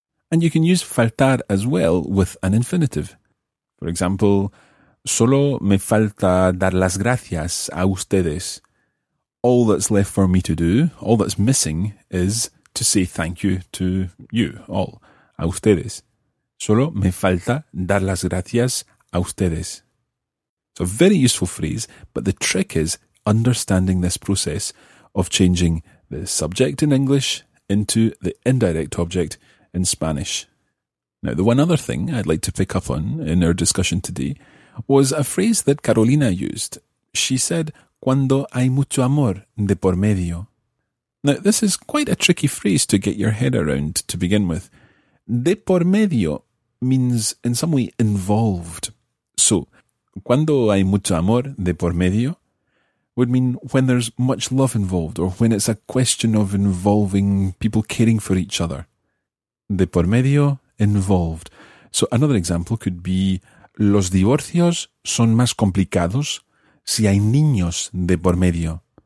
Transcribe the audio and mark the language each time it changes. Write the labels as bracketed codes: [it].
[en] And you can use faltar as well with an infinitive. For example, [es] solo me falta dar las gracias a ustedes. [en] All that's left for me to do, all that's missing, is to say thank you to you all, [es] a ustedes. Solo me falta dar las gracias a ustedes. [en] It's a very useful phrase, but the trick is understanding this process of changing the subject in English into the indirect object in Spanish. Now, the one other thing I'd like to pick up on in our discussion today was a phrase that Carolina used. She said, [es] cuando hay mucho amor de por medio. [en] Now, this is quite a tricky phrase to get your head around to begin with. [es] De por medio [en] means in some way involved. So, [es] cuando hay mucho amor de por medio [en] would mean when there's much love involved or when it's a question of involving people caring for each other. [es] De por medio, [en] involved. So another example could be [es] los divorcios son más complicados si hay niños de por medio.